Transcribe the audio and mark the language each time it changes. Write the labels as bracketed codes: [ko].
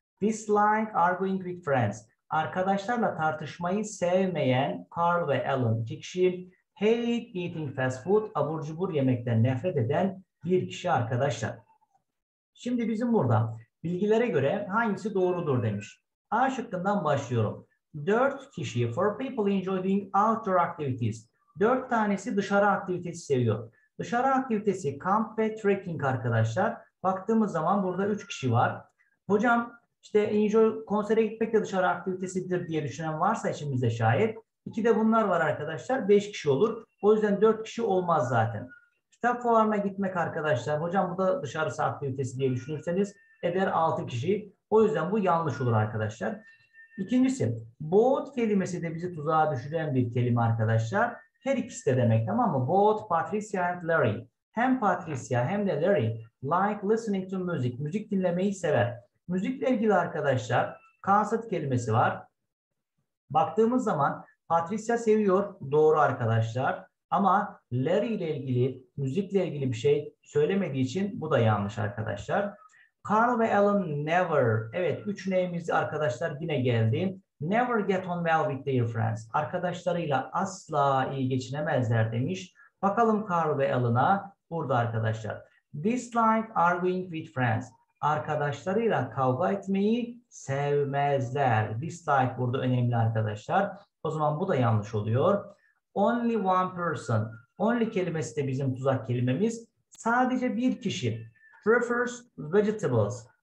[en] Dislike arguing with friends, [tr] arkadaşlarla tartışmayı sevmeyen Carl ve Alan 2 kişi. [en] Hate eating fast food, [tr] abur cubur yemekten nefret eden 1 kişi arkadaşlar. Şimdi bizim burada bilgilere göre hangisi doğrudur demiş. A şıkkından başlıyorum. [en] 4 kişi, for people enjoying outdoor activities. [tr] 4 tanesi dışarı aktivitesi seviyor. Dışarı aktivitesi kamp ve trekking arkadaşlar. Baktığımız zaman burada 3 kişi var. Hocam işte enjoy konsere gitmek de dışarı aktivitesidir diye düşünen varsa içimizde şayet. 2 de bunlar var arkadaşlar. 5 kişi olur. O yüzden 4 kişi olmaz zaten. Kitap fuarına gitmek arkadaşlar. Hocam bu da dışarı aktivitesi diye düşünürseniz eder 6 kişi. O yüzden bu yanlış olur arkadaşlar. İkincisi, boat kelimesi de bizi tuzağa düşüren bir kelime arkadaşlar. Her ikisi de demek, tamam mı? [en] Both Patricia and Larry. [tr] Hem Patricia hem de [en] Larry like listening to music. [tr] Müzik dinlemeyi sever. Müzikle ilgili arkadaşlar concert kelimesi var. Baktığımız zaman Patricia seviyor. Doğru arkadaşlar. Ama Larry ile ilgili, müzikle ilgili bir şey söylemediği için bu da yanlış arkadaşlar. Carl ve Alan never. Evet, üç neyimiz arkadaşlar yine geldi. [en] Never get on well with their friends. [tr] Arkadaşlarıyla asla iyi geçinemezler demiş. Bakalım Carl ve Alan'a burada arkadaşlar. [en] Dislike arguing with friends. [tr] Arkadaşlarıyla kavga etmeyi sevmezler. Dislike burada önemli arkadaşlar. O zaman bu da yanlış oluyor. [en] Only one person. [tr] Only kelimesi de bizim tuzak kelimemiz. Sadece bir kişi. [en] Prefers vegetables.